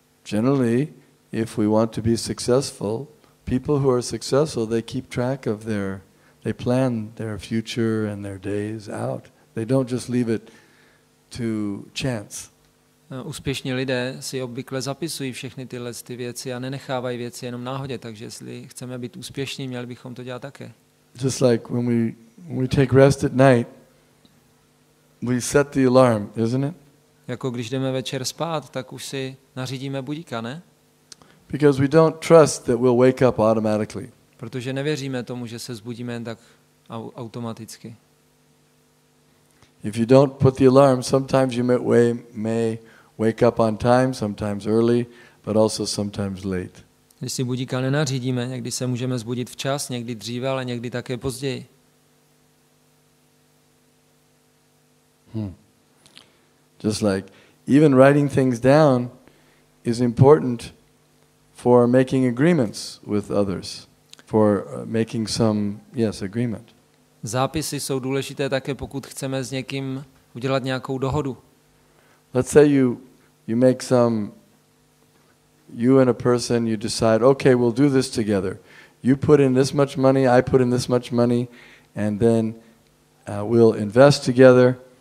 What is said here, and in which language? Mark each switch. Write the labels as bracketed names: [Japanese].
[English] Generally, if we want to be successful, people who are successful, they keep track of they plan their future and their days out. They don't just leave it to chance. [Czech] Úspěšní lidé si obvykle zapisují všechny tyhle ty věci a nenechávají věci jenom náhodě, takže jestli chceme být úspěšní, měli bychom to dělat také. [English] Just like when we take rest at night, we set the alarm, isn't it? [Czech] Jako když jdeme večer spát, tak už si nařídíme budíka, ne? [English] Because we don't trust that we'll wake up automatically. [Czech] Protože nevěříme tomu, že se zbudíme jen tak automaticky. [English] If you don't put the alarm, sometimes you may wake up on time, sometimes early, but also sometimes late. [Czech] Když si budíka nenařídíme, někdy se můžeme zbudit včas, někdy dříve, ale někdy také později. [English] Just like even writing things down is important for making agreements with others, for making some agreement. [Czech] Zápisy jsou důležité také, pokud chceme s někým udělat nějakou dohodu. [English] Let's say you make some, you and a person, you decide, okay, we'll do this together. You put in this much money, I put in this much money, and then we'll invest together.